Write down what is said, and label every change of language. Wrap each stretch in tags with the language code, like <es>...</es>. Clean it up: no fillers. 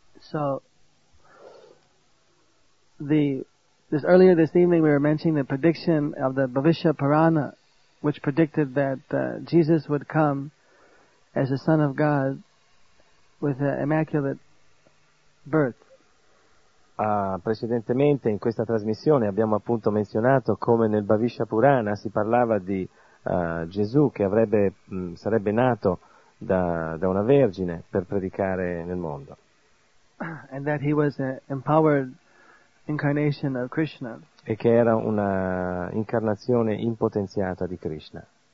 <en>So, this earlier this evening we were mentioning the prediction of the Bhavishya Purana, which predicted that Jesus would come as the Son of God with an immaculate birth.</en> <it>Precedentemente in questa trasmissione abbiamo appunto menzionato come nel Bhavishya Purana si parlava di Gesù che sarebbe nato da una vergine per predicare nel mondo.</it> <en>And that he was an empowered incarnation of Krishna.</en> <it>E che era una incarnazione impotenziata di Krishna.</it>